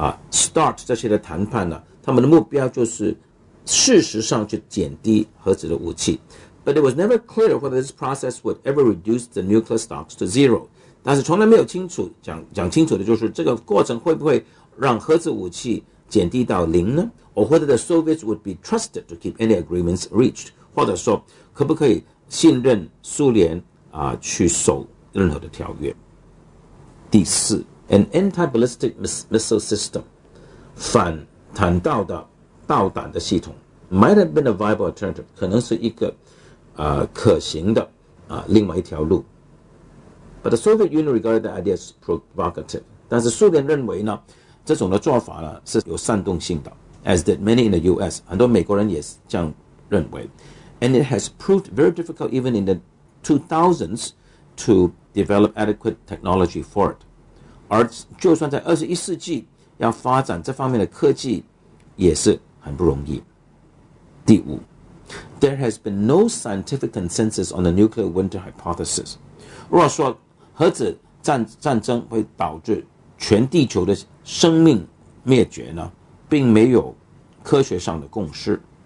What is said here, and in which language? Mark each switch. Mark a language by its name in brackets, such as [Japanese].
[Chinese] START 这些的谈判呢，他们的目标就是事实上去减低核子的武器。 [English] But it was never clear whether this process would ever reduce the nuclear stocks to zero。 [Chinese] 但是从来没有清楚 讲清楚的就是这个过程会不会让核子武器减低到零呢？ [English] Or whether the Soviets would be trusted to keep any agreements reached， [Chinese] 或者说可不可以信任苏联去守任何的条约。 [English] 第四， An anti-ballistic missile system， [Chinese] 反弹道的导弹的系统， [English] might have been a viable alternative， [Chinese] 可能是一个可行的另外一条路。 [English] But the Soviet Union regarded the idea as provocative， [Chinese] 但是苏联认为呢这种的做法呢是有煽动性的， [English] as did many in the US， [Chinese] 很多美国人也是这样认为。 [English] And it has proved very difficult even in the 2000s to develop adequate technology for it。 [Chinese] 而就算在21世纪要发展这方面的科技也是很不容易。 [English] 第五， There has been no scientific consensus on the nuclear winter hypothesis。 [Chinese] 如果说核子 战争会导致全地球的生命灭绝呢，并没有科学上的共识。